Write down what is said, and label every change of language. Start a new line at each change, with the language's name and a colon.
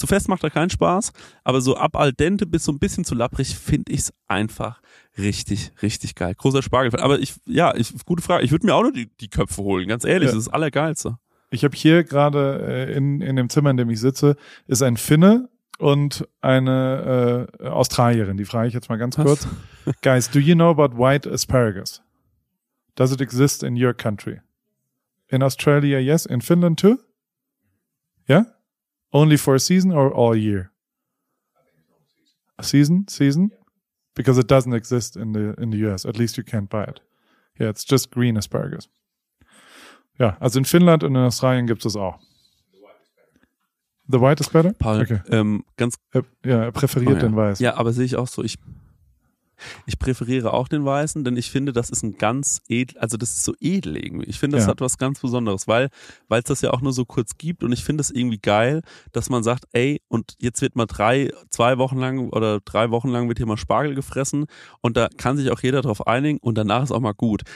German: Zu fest macht er keinen Spaß, aber so ab al dente bis so ein bisschen zu lapprig finde ich es einfach richtig, richtig geil. Großer Spargel. Aber ich, gute Frage. Ich würde mir auch nur die Köpfe holen, ganz ehrlich. Ja. Das ist das Allergeilste. Ich habe hier gerade in dem Zimmer, in dem ich sitze, ist ein Finne und eine Australierin. Die frage ich jetzt mal ganz kurz.
English: Guys, do you know about white asparagus? Does it exist in your country? In Australia, yes. In Finland, too? Yeah? Only for a season or all year? A season? Season? Because it doesn't exist in the US. At least you can't buy it. Yeah, it's just green asparagus.
German: Ja, also in Finnland und in Australien gibt es das auch.
English: The white is better? Paul, okay.
German: Er präferiert den Weiß. Ja, aber sehe ich auch so. Ich präferiere auch den Weißen, denn ich finde, das ist ein ganz edel, also das ist so edel irgendwie. Ich finde, das hat was ganz Besonderes, weil es das ja auch nur so kurz gibt und ich finde es irgendwie geil, dass man sagt, ey, und jetzt wird mal drei Wochen lang wird hier mal Spargel gefressen und da kann sich auch jeder drauf einigen und danach ist auch mal gut.